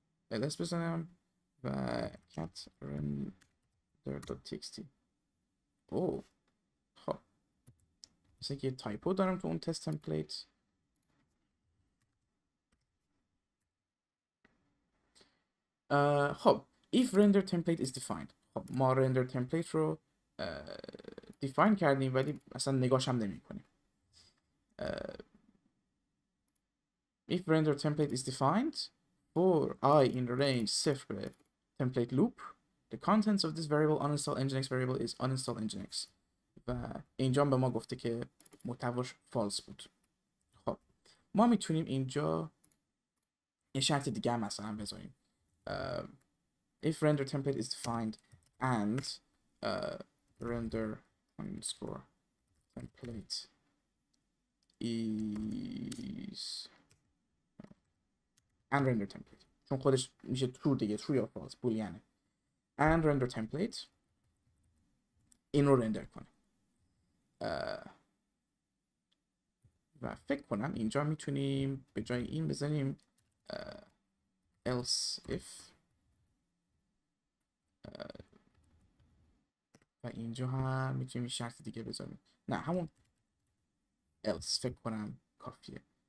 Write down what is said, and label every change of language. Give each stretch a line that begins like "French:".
Persian: ls بزنم و cat render.txt. اوه خب مثل که یه تایپو دارم تو اون تست تمپلیت.
English: خب if render template is defined.
Persian: خب ما render template رو define کردیم ولی اصلا نگاش هم نمی کنیم.
English: If render template is defined for i in range 0 template loop, the contents of this variable uninstall nginx variable is uninstall nginx.
Persian: و اینجا هم به ما گفته که محتواش false بود. خب ما میتونیم اینجا یه شرط دیگه هم مثلا بذاریم.
English: If render template is defined and render underscore template is and render template,
Persian: چون خودش میشه true دیگه,
English: true یا false, بولیانه, and render template,
Persian: این رو render کنه. و فکر کنم اینجا میتونیم به جای این بزنیم else if و اینجا هم میتونیم شرط دیگه بذاریم. نه همون else فکر کنم کافیه.